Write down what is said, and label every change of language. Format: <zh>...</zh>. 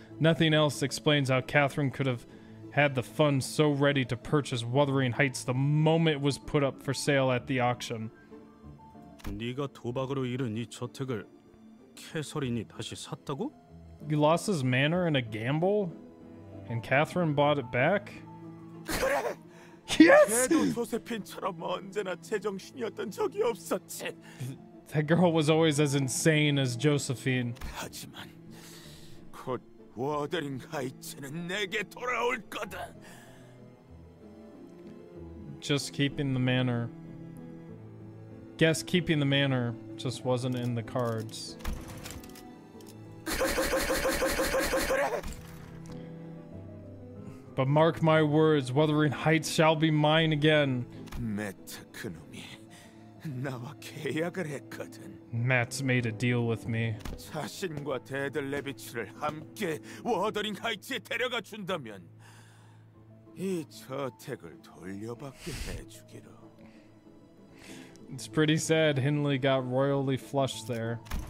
<en>Nothing else explains how Catherine could have had the funds so ready to purchase Wuthering Heights the moment it was put up for sale at the auction.</en> <ko>네가 도박으로 잃은 이 저택을 캐서린이 다시 샀다고?</ko> <en>You lost his manor in a gamble? And Catherine bought it back?</en> <ko>그래!</ko> <en>Yes!</en> <ko>걔도 조세핀처럼 언제나 제정신이었던 적이 없었지.</ko> <en>That girl was always as insane as Josephine.</en> <ko>하지만 곧 Wuthering Heights는 내게 돌아올 거다.</ko> <en>Guess keeping the manor just wasn't in the cards. But mark my words, Wuthering Heights shall be mine again.</en> <ko>Matt, 그놈이 나와 계약을 했거든.</ko> <en>Matt's made a deal with me.</en> <ko>자신과 데드 레비치를 함께 워더링 하이츠에 데려가 준다면 이 저택을 돌려받게 해주기로.</ko> <en>It's pretty sad Hindley got royally flushed there.</en>